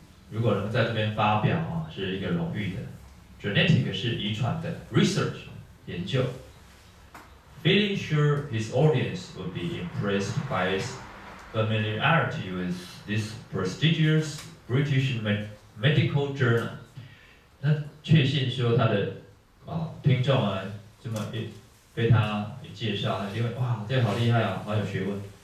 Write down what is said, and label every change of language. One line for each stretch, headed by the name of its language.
Chinese: 如果能在这边发表是一个荣誉的。 Genetic 是遗传的 ，research 研究。
English: Feeling sure his audience would be impressed by his familiarity with this prestigious British medical journal，
Chinese: 那确信说他的听众啊，这么一。被他一介绍，他就会哇，这好厉害啊，好有学问。